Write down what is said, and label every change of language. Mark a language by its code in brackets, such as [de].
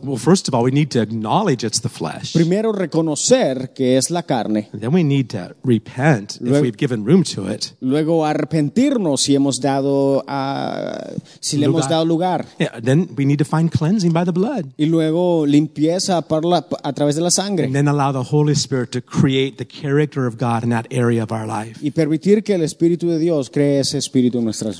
[en] Well, first of all, we need to acknowledge it's the flesh. [es] Primero reconocer que es la carne. [en] And then we need to repent if we've given room to it. [es] Luego arrepentirnos si hemos dado si le hemos dado lugar. [en] Yeah, then we need to find cleansing by the blood. [es] Y luego limpieza a través de la sangre. [en] And then allow the Holy Spirit to create the character of God in that area of our life. [es] Y permitir que el Espíritu de Dios cree ese espíritu en nuestras vidas.